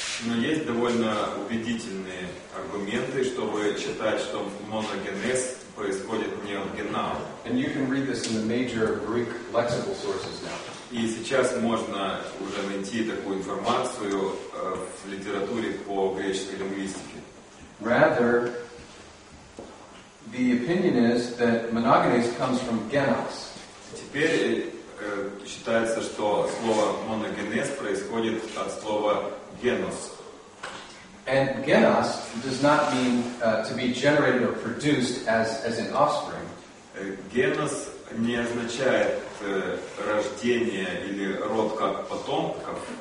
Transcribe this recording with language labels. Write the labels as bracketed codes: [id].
[ru] Но есть довольно убедительные аргументы, чтобы считать, что моногенез происходит не от генао. [en] And you can read this in the major Greek lexical sources now. [ru] И сейчас можно уже найти такую информацию в литературе по греческой лингвистике. [en] Rather, the opinion is that monogenes comes from genos. [ru] Теперь считается, что слово моногенез происходит от слова генос. [en] And genos does not mean to be generated or produced as an offspring. [ru] Генос не означает рождение или род как потомков.